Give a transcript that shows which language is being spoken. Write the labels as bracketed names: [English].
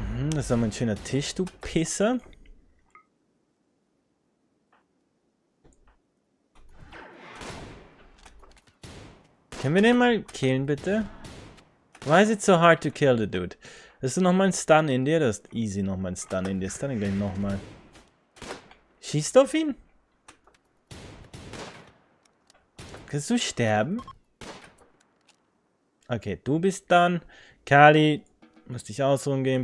[German] Das ist aber ein schöner Tisch, du Pisser. Können wir den mal killen, bitte? [English] Why is it so hard to kill the dude? [German] Hast du nochmal einen Stun in dir? Das ist easy, nochmal einen Stun in dir. Stun ihn gleich nochmal. Schießt auf ihn? Kannst du sterben? Okay, du bist dann. Kali, muss dich ausruhen gehen.